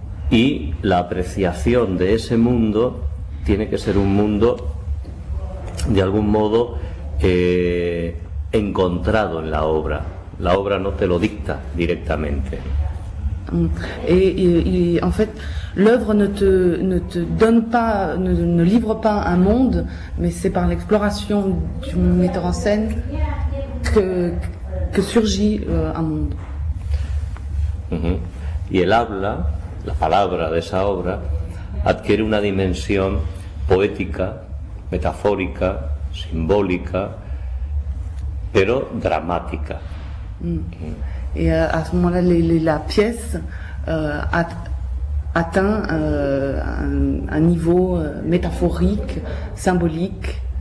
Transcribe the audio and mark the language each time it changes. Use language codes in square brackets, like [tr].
[es] Y la apreciación de ese mundo tiene que ser un mundo de algún modo encontrado en la obra. La obra no te lo dicta directamente. [fr] Et en fait, l'œuvre ne te donne pas, ne livre pas un monde, mais c'est par l'exploration du metteur en scène que surgit un monde. [es] Y el habla, la palabra de esa obra, adquiere una dimensión poética, metafórica, simbólica, pero dramática. [fr] Et à ce moment-là, la pièce atteint un niveau métaphorique, symbolique.